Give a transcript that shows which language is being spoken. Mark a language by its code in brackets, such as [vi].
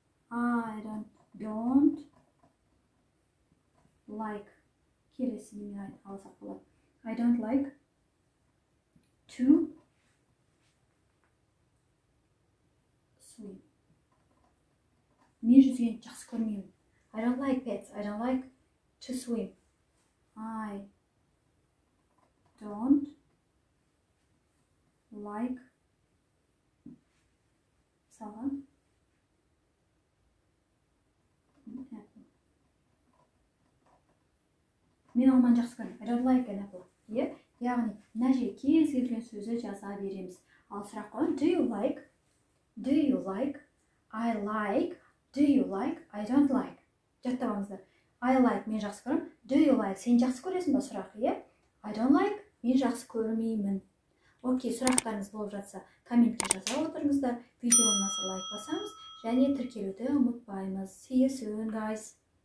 [en] I don't like [kk] келесі немен алсақ болады. [en] I don't like to swim. [kk] Мен жүзгенді жақсы көрмеймін. [en] I don't like pets. I don't like to swim. I don't like салам. [kk] Мен алманы жақсы көремін. [en] I don't like an apple. Yeah? [kk] Яғни, мына жерге кез келген сөзді жаза береміз. Ал сұрақ қой, [en] do you like? Do you like? I like. Do you like? I don't like. [kk] Жаттап алыңыздар. [en] I like, [kk] мен жақсы көремін. [en] Do you like, [kk] сен жақсы көресің ба сұрақ, иә? [en] Yeah? I don't like, [kk] мен жақсы көрмеймін. Окей, сұрақтарыңыз болып жатса, комментке жаза отырыңыздар. Видеоны лайк басамыз. Және тіркелуді ұмытпаймыз. [en] See you soon, guys.